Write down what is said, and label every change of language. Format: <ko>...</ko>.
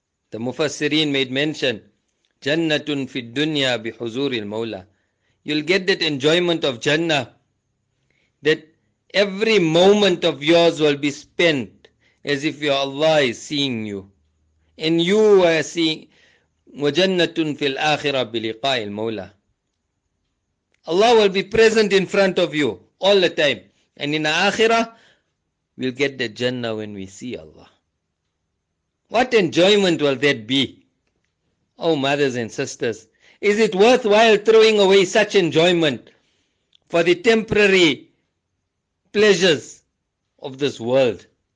<en>The Mufassirin made mention,</en> <ar>jannatun fi dunya bi huzuri al-mawla.</ar> <en>You'll get that enjoyment of Jannah, that every moment of yours will be spent as if your Allah is seeing you. And you are seeing</en> <ar>وَجَنَّةٌ فِي الْآخِرَةِ بِلِقَاءِ الْمَوْلَى.</ar> <en>Allah will be present in front of you all the time. And in the Akhirah, we'll get the Jannah when we see Allah. What enjoyment will that be? Oh, mothers and sisters, is it worthwhile throwing away such enjoyment for the temporary pleasures of this world?</en>